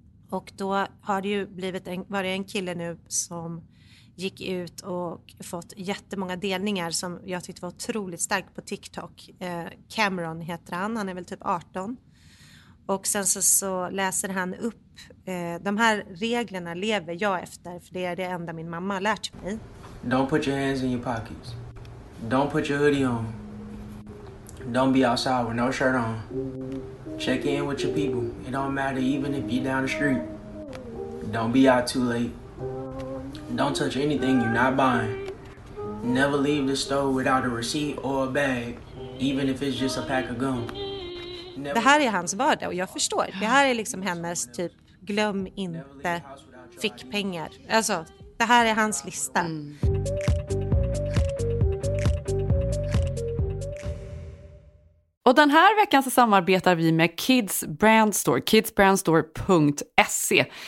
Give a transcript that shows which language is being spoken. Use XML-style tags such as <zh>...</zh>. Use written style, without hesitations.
<sv>Och då har det ju blivit en kille nu som gick ut och fått jättemånga delningar som jag tyckte var otroligt starkt på TikTok. Cameron heter han, är väl typ 18. Och sen så läser han upp, de här reglerna lever jag efter för det är det enda min mamma har lärt mig.</sv> <en>Don't put your hands in your pockets. Don't put your hoodie on. Don't be outside with no shirt on. Check in with your people. It don't matter even if you're down the street. Don't be out too late. Don't touch anything you're not buying. Never leave the store without a receipt or a bag, even if it's just a pack of gum.</en> <sv>Det här är hans vardag och jag förstår. Det här är liksom hennes typ, glöm inte fick pengar. Alltså, det här är hans lista. Mm. Och den här veckan så samarbetar vi med Kids Brand Store, kidsbrandstore.se.</sv>